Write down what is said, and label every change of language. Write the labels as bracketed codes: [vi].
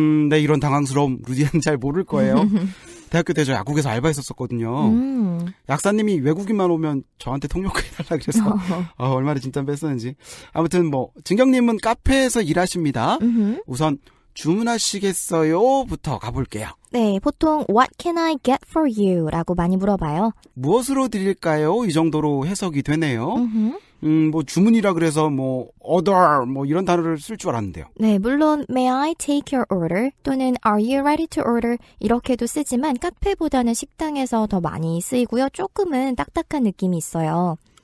[ko] 네, 이런 당황스러움 루디안 잘 모를 거예요. 대학교 때 저 약국에서 알바했었거든요. 약사님이 외국인만 오면 저한테 통역해달라 그래서 얼마나 진짬 뺐었는지. 아무튼 뭐 진경님은 카페에서 일하십니다. 우선 주문하시겠어요? 부터 가볼게요. 네, 보통 [en] What can I get for you? [ko] 라고 많이 물어봐요. 무엇으로 드릴까요? 이 정도로 해석이 되네요. 뭐 주문이라 그래서 뭐 order 뭐 이런 단어를 쓸 줄 알았는데요. 네, 물론 [en] may I take your order [ko] 또는 [en] are you ready to order [ko] 이렇게도 쓰지만 카페보다는 식당에서 더 많이 쓰이고요. 조금은 딱딱한 느낌이 있어요.